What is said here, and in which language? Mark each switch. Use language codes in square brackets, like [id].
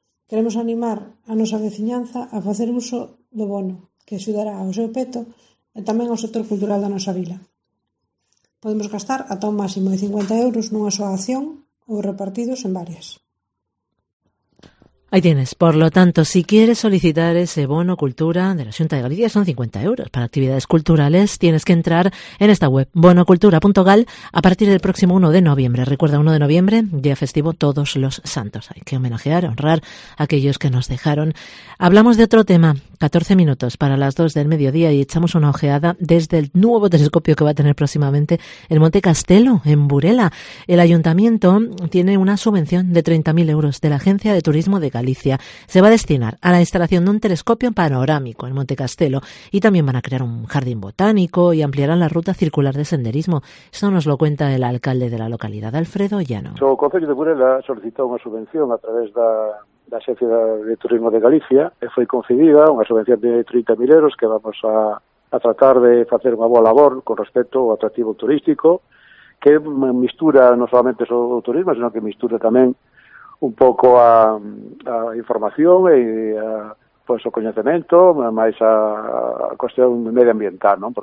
[gl] Queremos animar a nosa veciñanza a facer uso do bono, que axudará ao seu peto e tamén ao sector cultural da nosa vila. Podemos gastar ata un máximo de 50 euros nunha súa acción ou repartidos en varias. [es] Ahí tienes. Por lo tanto, si quieres solicitar ese bono Cultura de la Xunta de Galicia, son 50 euros. Para actividades culturales tienes que entrar en esta web, bonocultura.gal, a partir del próximo 1 de noviembre. Recuerda, 1 de noviembre, día festivo, Todos los Santos. Hay que homenajear, honrar a aquellos que nos dejaron. Hablamos de otro tema. 14 minutos para las 2 del mediodía y echamos una ojeada desde el nuevo telescopio que va a tener próximamente el Monte Castelo, en Burela. El ayuntamiento tiene una subvención de 30.000 euros de la Agencia de Turismo de Galicia. Se va a destinar a la instalación de un telescopio panorámico en Monte Castelo y también van a crear un jardín botánico y ampliarán la ruta circular de senderismo. Eso nos lo cuenta el alcalde de la localidad, Alfredo Llano. [gl] O Concello de Burela solicitou unha subvención a través da Axencia de Turismo de Galicia e foi concedida unha subvención de 30.000 euros que vamos a tratar de facer unha boa labor con respecto ao atractivo turístico, que mistura non solamente o turismo, sino que mistura tamén un pouco a información e a, pois, o coñecemento, máis a cuestión medioambiental, non?